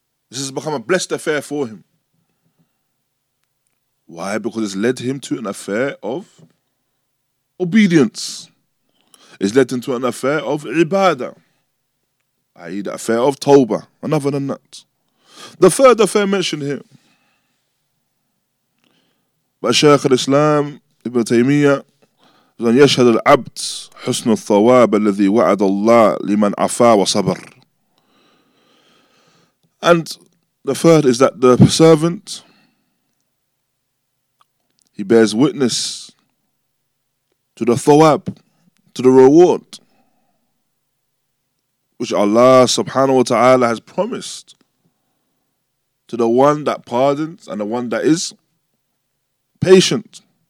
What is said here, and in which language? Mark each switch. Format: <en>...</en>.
<en>This has become a blessed affair for him. Why? Because it's led him to an affair of obedience. It's led him to an affair of ibadah, i.e. the affair of tawbah. Another than that. The third affair mentioned here by Shaykh al-Islam Ibn Taymiyyah,</en> <ar>أن يشهد العبد حسن الثواب الذي وعد الله لمن عفا وصبر.</ar> <en>And the third is that the servant, he bears witness to the thawab, to the reward, which Allah subhanahu wa ta'ala has promised to the one that pardons and the one that is patient.</en>